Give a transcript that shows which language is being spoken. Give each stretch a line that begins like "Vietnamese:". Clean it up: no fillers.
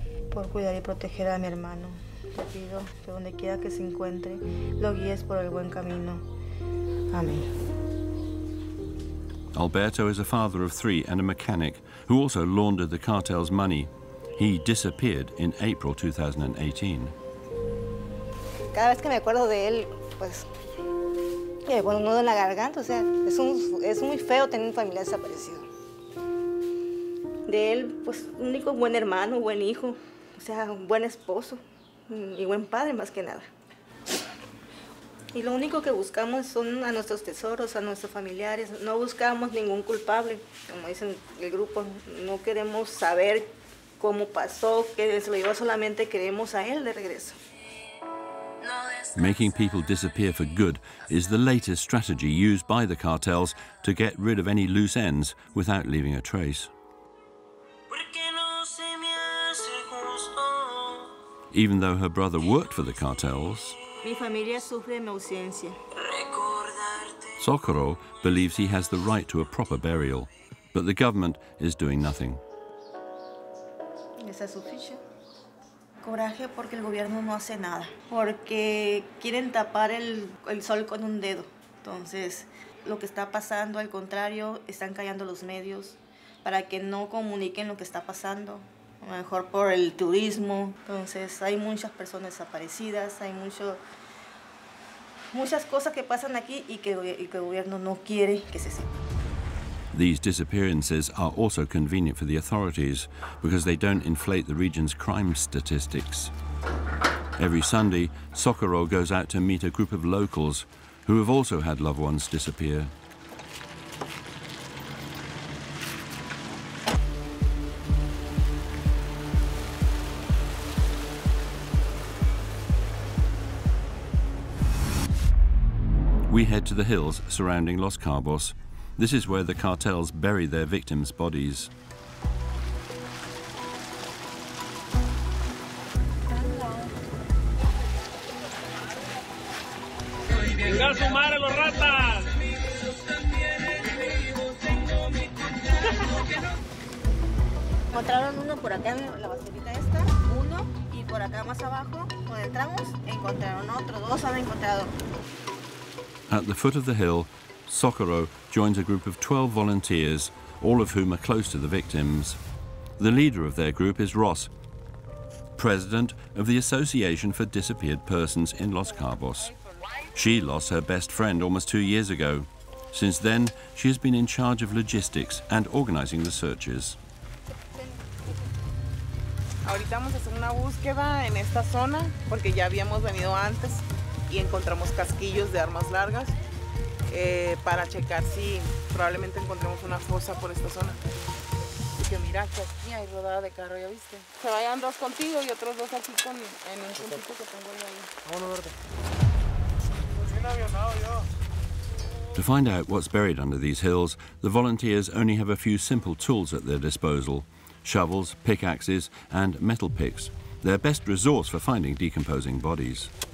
Spanish: Por cuidar y proteger a mi hermano, te pido que donde quiera que se encuentre, lo guíes por el buen camino. Amén.
English: Alberto is a father of three and a mechanic who also laundered the cartel's money. He disappeared in April 2018.
Spanish: Cada vez que me acuerdo de él, pues, bueno, nudo en la garganta, o sea, es muy feo tener un familiar desaparecido. De él, pues, único buen hermano, buen hijo, o sea, un buen esposo y buen padre más que nada. Y lo único que buscamos son a nuestros tesoros, a nuestros familiares. No buscamos ningún culpable, como dicen el grupo. No queremos saber cómo pasó, qué se lo llevó. Solamente queremos a él de regreso.
English: Making people disappear for good is the latest strategy used by the cartels to get rid of any loose ends without leaving a trace. Even though her brother worked for the cartels,
Spanish: mi familia sufre mi ausencia.
English: Socorro believes he has the right to a proper burial, but the government is doing nothing.
Spanish: Esa es su ficha. Coraje porque el gobierno no hace nada, porque quieren tapar el sol con un dedo. Entonces, lo que está pasando, al contrario, están callando los medios para que no comuniquen lo que está pasando. A lo mejor por el turismo, entonces hay muchas personas desaparecidas, hay muchas cosas que pasan aquí y que el gobierno no quiere que se sepa.
English: These disappearances are also convenient for the authorities because they don't inflate the region's crime statistics. Every Sunday, Socorro goes out to meet a group of locals who have also had loved ones disappear. We head to the hills surrounding Los Cabos. This is where the cartels bury their victims' bodies.
Spanish: Encontraron uno por acá en la basurita esta, uno, y por acá más abajo, donde entramos, encontraron otro, dos han encontrado.
English: At the foot of the hill, Socorro joins a group of 12 volunteers, all of whom are close to the victims. The leader of their group is Ross, president of the Association for Disappeared Persons in Los Cabos. She lost her best friend almost 2 years ago. Since then, she has been in charge of logistics and organizing the searches.
Spanish: Ahorita vamos a hacer una búsqueda en esta zona porque ya habíamos venido antes. Y encontramos casquillos de armas largas para checar si probablemente encontremos una fosa por esta zona. Y que mira que aquí hay rodada de carro, ya viste. Se vayan dos contigo y otros dos aquí con en un puntito que tengo yo ahí. Vámonos, verde.
English: To find out what's buried under these hills, the volunteers only have a few simple tools at their disposal: shovels, pickaxes, and metal picks. Their best resource for finding decomposing bodies.